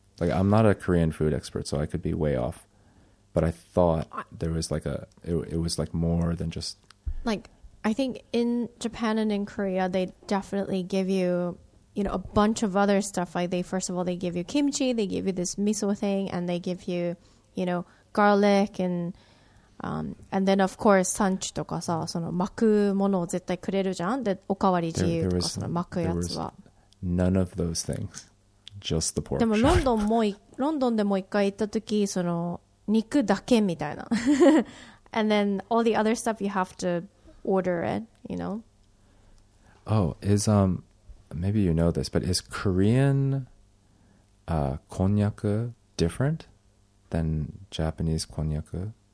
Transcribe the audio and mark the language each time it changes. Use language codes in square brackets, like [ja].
[en] Like I'm not a Korean food expert, so I could be way off. But I thought there was like it was like more than just. Like I think in Japan and in Korea, they definitely give you, you know, a bunch of other stuff. Like they first of all they give you kimchi, they give you this miso thing, and they give you, you know, garlic and And then of course [ja] 産地とかさ、その巻くものを絶対くれるじゃん。で、おかわり自由とか、その巻くやつは。 [en] None of those things. Just the pork. [ja] でもロンドンも、ロンドンでも一回行った時、その肉だけみたいな。 [en] And then all the other stuff you have to order it, you know? Oh, is, maybe you know this, but is Korean, konnyaku different than Japanese konnyaku?